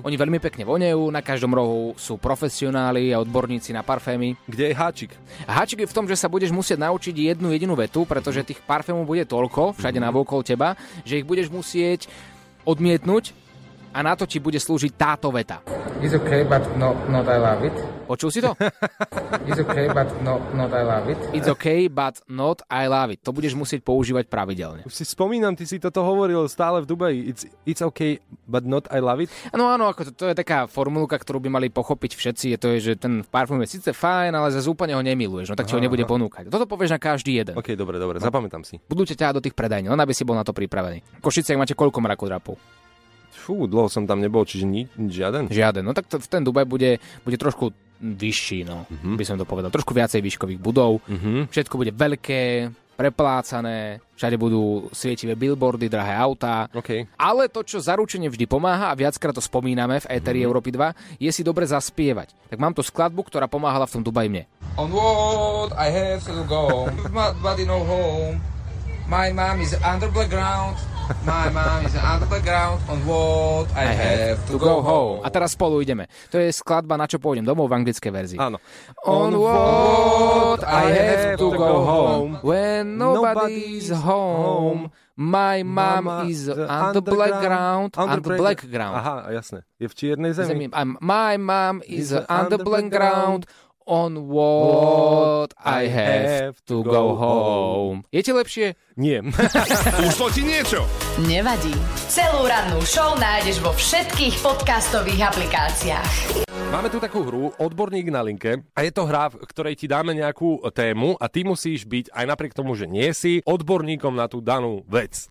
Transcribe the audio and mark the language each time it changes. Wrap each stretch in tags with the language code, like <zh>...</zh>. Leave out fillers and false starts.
<sk>Oni veľmi pekne voniajú, na každom rohu sú profesionáli a odborníci na parfémy. Kde je háčik? Háčik je v tom, že sa budeš musieť naučiť jednu jedinú vetu, pretože tých parfémov bude toľko všade navokol teba, že ich budeš musieť odmietnuť. A na to ti bude slúžiť táto veta.</sk> <en>It's okay, but not I love it.</en> <sk>Počul si to?</sk> <en>It's okay, but not I love it. It's okay, but not I love it.</en> <sk>To budeš musieť používať pravidelne. Už si spomínam, ty si toto hovoril stále v Dubaji.</sk> <en>It's okay, but not I love it.</en> <sk>No áno, ako to je taká formulka, ktorú by mali pochopiť všetci. Je to, že ten parfum je síce fajn, ale zase úplne ho nemiluješ. No tak ti ho nebude ponúkať. Toto povieš na každý jeden. Okay, dobre, zapamätám si. Budú ťa do tých predajní, len aby si bol na to pripravený. Košice, ak máte koľko mrakodrapov? Fú, dlho som tam nebol, čiže žiaden? Žiaden. No tak v ten Dubaj bude trošku vyšší, no. Uh-huh. By som to povedal. Trošku viacej výškových budov. Uh-huh. Všetko bude veľké, preplácané, všade budú svietivé billboardy, drahé autá.</sk> <en>Okay.</en> <sk>Ale to, čo zaručenie vždy pomáha, a viackrát to spomíname v Eteri Európy 2, je si dobre zaspievať. Tak mám tu skladbu, ktorá pomáhala v tom Dubaji mne.</sk> <en>On what I have to go, my body no home, my mom is underground. My mom is underground, on what I have to go home.</en> <sk>A teraz spolu ideme. To je skladba Na čo pôjdem domov v anglickej verzii. Áno.</sk> <en>On what I have to go home, when nobody's home, my mom is underground, underground.</en> <sk>Aha, jasne. Je v čiernej zemi.</sk> <en>My mom is underground, on what I have to go home.</en> <sk>Je ti lepšie? Nie. Ušlo ti niečo? Nevadí. Celú rannú show nájdeš vo všetkých podcastových aplikáciách. Máme tu takú hru, Odborník na linke. A je to hra, v ktorej ti dáme nejakú tému a ty musíš byť, aj napriek tomu, že nie si, odborníkom na tú danú vec.</sk>